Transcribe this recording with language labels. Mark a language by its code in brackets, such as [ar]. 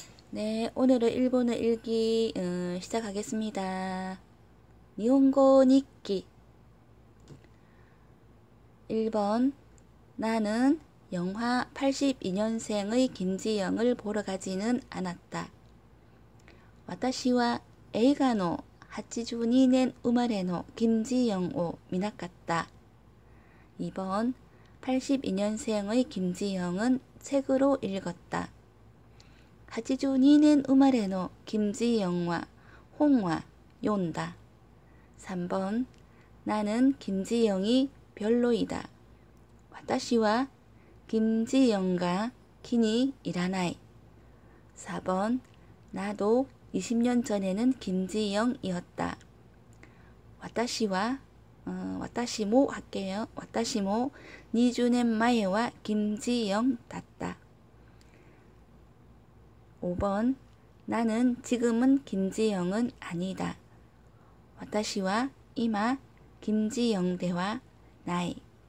[ko] 네, 오늘의 일본어 읽기 시작하겠습니다. [ja] 니혼고 니키. [ko] 1번. 나는 영화 82년생의 김지영을 보러 가지는 않았다. [ja] 私は映画の82年生まれの김지영を見なかった。 [ko] 2번82년생의김지영은책으로읽었다。 [ja] 82年生まれの김지영は本は読んだ。 [ko] 3번나는김지영이별로이다。 [ja] 私は김지영が気に入らない。 [ko] 4번나도20년 전에는 김지영이었다. [ja] 私も [ko] 할게요. [ja] 私も 20년 前は 김지영だった. [ko] 5번 나는 지금은 김지영은 아니다. [ja] 私は 今 김지영 ではない.